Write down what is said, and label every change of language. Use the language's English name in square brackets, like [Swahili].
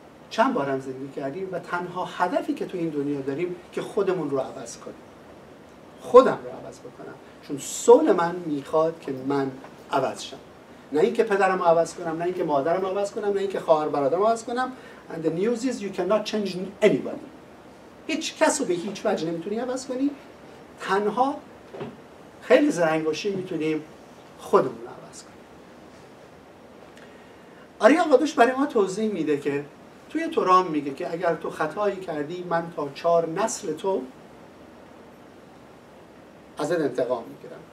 [Persian] چند بارم زندگی کردیم و تنها هدفی که توی این دنیا داریم که خودمون رو عوض کنیم. خودم رو عوض بکنم. چون سول من میخواد که من عوض شم. نه اینکه پدرم رو عوض کنم، نه اینکه مادرم رو عوض کنم، نه اینکه خواهر برادرم رو عوض کنم. [English] And the news is you cannot change anybody. [Persian] هیچ کس رو به هیچ وجه نمیتونی عوض کنی. تنها خیلی زرنگوشی میتونیم خودمون رو عوض کنیم. آریا قدوش برای ما توضیح میده که توی تورام میگه که اگر تو خطایی کردی من تا چهار نسل تو ازت انتقام میگیرم.